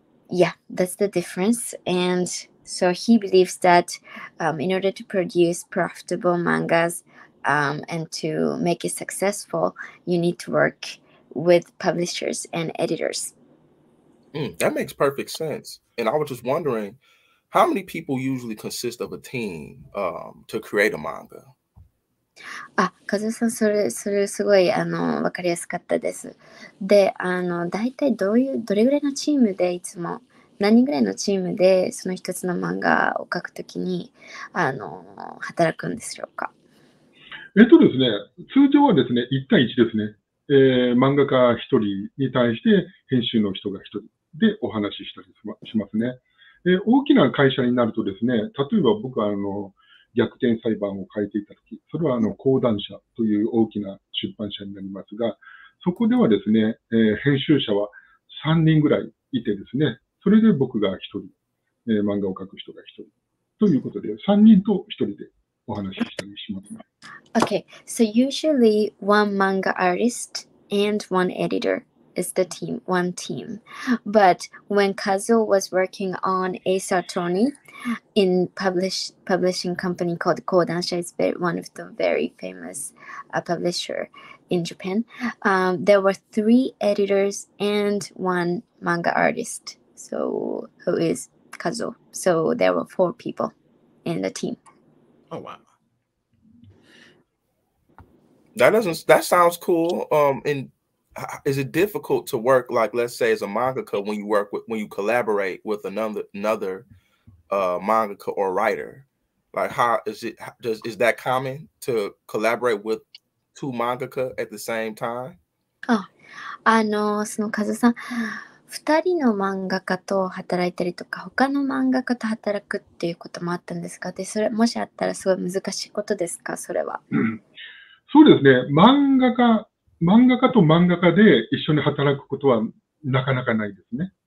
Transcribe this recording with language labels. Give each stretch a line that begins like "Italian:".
English: Yeah, that's the difference. And so he believes that in order to produce profitable mangas and to make it successful, you need to work with publishers and editors. That makes perfect sense. And I was just wondering, how many people usually consist of a team to create a manga?
Japanese: あ、カズさん、それすごいわかりやすかったです。で、だいたいどういうどれぐらいのチームでいつも何人ぐらいのチームでその一つの漫画を描くときに働くんでしょうか。ですね、通常はですね、1対1ですね。漫画家1人に対して編集の人が1人でお話ししたりしますね。大きな会社になるとですね、例えば僕は逆転裁判を書いていたとき、それは講談社という大きな出版社になりますが、そこではですね、編集者は3人ぐらいいてですね、それで僕が1人、漫画を描く人が1人ということで、3人と1人でお話ししたりします、ね。
English: Okay, so usually one manga artist and one editor is the team, one team. But when Kazuo was working on Ace Attorney, in publishing company called Kodansha, it's one of the very famous publisher in Japan. There were three editors and one manga artist, so who is Kazuo. So there were four people in the team. Oh, wow. That sounds cool. And is it difficult to work, like, let's say, as a mangaka when you collaborate with another mangaka or writer? Like, is that common to collaborate with two mangaka at the same time?
Japanese: そのカズさん、2人の漫画家と働いたりとか、他の漫画家と働くっていうこともあったんですか？で、それもしあったらすごい難しいことですか？それは。そうですね、漫画家と漫画家で一緒に働くことはなかなかないですね。